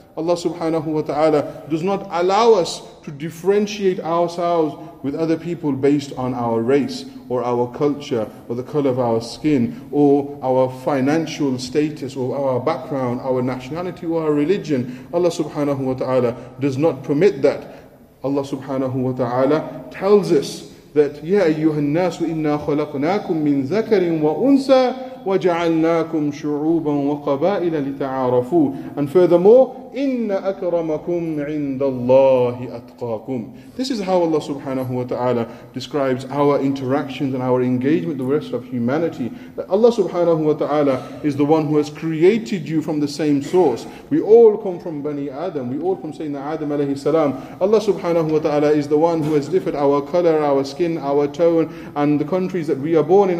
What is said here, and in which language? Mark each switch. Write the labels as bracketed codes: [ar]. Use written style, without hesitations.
[en] Allah subhanahu wa ta'ala does not allow us to differentiate ourselves with other people based on our race or our culture or the color of our skin or our financial status or our background, our nationality or our religion. Allah subhanahu wa ta'ala does not permit that. [ar] Allah subhanahu wa ta'ala [en] tells us that, [ar] يَا أَيُّهَا النَّاسُ إِنَّا خَلَقْنَاكُمْ مِنْ ذَكَرٍ وَأُنْسَى وَجَعَلْنَاكُمْ شُعُوبًا وَقَبَائِلَ لِتَعَارَفُوا. [en] And furthermore, [ar] إِنَّ أَكْرَمَكُمْ عِنْدَ اللَّهِ أَتْقَاكُمْ. [en] This is how Allah subhanahu wa ta'ala describes our interactions and our engagement with the rest of humanity. That Allah subhanahu wa ta'ala is the one who has created you from the same source. We all come from Bani Adam. We all come from Sayyidina Adam alayhi salam. Allah subhanahu wa ta'ala is the one who has differed our color, our skin, our tone, and the countries that we are born in.